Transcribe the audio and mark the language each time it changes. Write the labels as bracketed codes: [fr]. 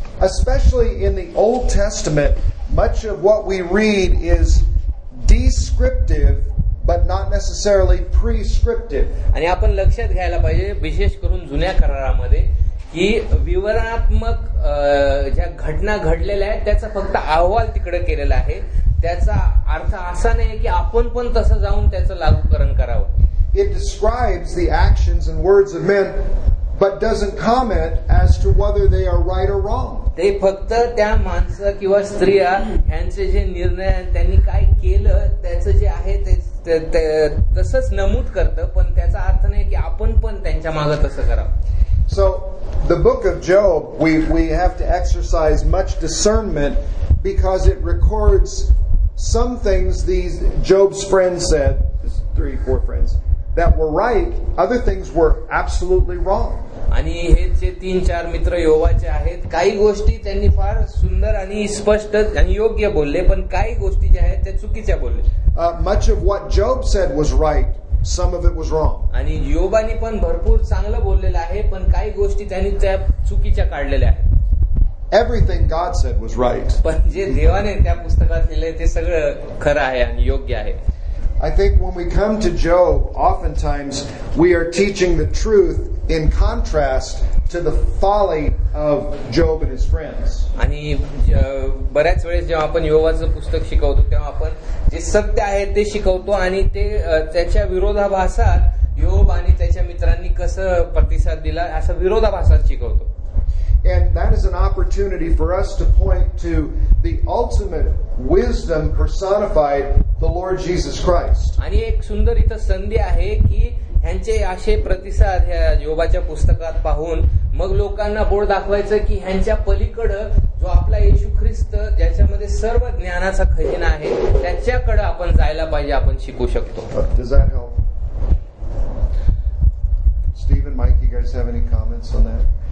[en] Especially in the Old Testament, much of what we read is descriptive but not necessarily prescriptive. [mr] आणि आपण लक्षात घ्यायला पाहिजे विशेष करून जुन्या करारामध्ये की विवरणात्मक ज्या घटना घडलेल्या आहेत त्याचा फक्त अहवाल तिकडे केलेला आहे, त्याचा अर्थ असा नाही की आपण पण तसं जाऊन त्याचं लागूकरण करावं. [en] It describes the actions and words of men but doesn't comment as to whether they are right or wrong. [mr] ते फक्त त्या माणसं किंवा स्त्रिया यांचे जे निर्णय त्यांनी काय केलं त्याचं जे आहे ते तसंच नमूद करत, पण त्याचा अर्थ नाही की आपण पण त्यांच्या मागे तसं करावं. [en] So the book of Job, we have to exercise much discernment because it records some things these Job's friends said, three, four friends, that were right, other things were absolutely wrong. [mr] आणि हे जे तीन चार मित्र योबाचे आहेत काही गोष्टी त्यांनी फार सुंदर आणि स्पष्ट आणि योग्य बोलले, पण काही गोष्टी ज्या आहेत त्या चुकीच्या बोलले. [en] Much of what Job said was right, some of it was wrong. [mr] आणि योबानी पण भरपूर चांगलं बोललेलं आहे, पण काही गोष्टी त्यांनी त्या चुकीच्या काढलेल्या आहेत. [en] Everything God said was right. [mr] पण जे देवाने त्या पुस्तकात लिहिलंय ते सगळं खरं आहे आणि योग्य आहे. [en] I think when we come to Job, oftentimes we are teaching the truth in contrast to the folly of Job and his friends. [mr] आणि बऱ्याच वेळेस जेव्हा आपण योबाचं पुस्तक शिकवतो तेव्हा आपण जे सत्य आहे ते शिकवतो आणि ते त्याच्या विरोधाभासात योब आणि त्याच्या मित्रांनी कसं प्रतिसाद दिला असं विरोधाभासात शिकवतो. [en] And that is an opportunity for us to point to the ultimate wisdom personified, the Lord Jesus Christ. [mr] आणि एक सुंदर इथं संधी आहे की ह्यांचे असे प्रतिसाद ह्या योबाच्या पुस्तकात पाहून मग लोकांना बोर्ड दाखवायचं की ह्यांच्या पलीकडं जो आपला येशू ख्रिस्त ज्याच्यामध्ये सर्व ज्ञानाचा खजिना आहे त्याच्याकडे आपण जायला पाहिजे, आपण शिकू शकतो. [en] Does that help? Steve and Mike, you guys have any comments on that?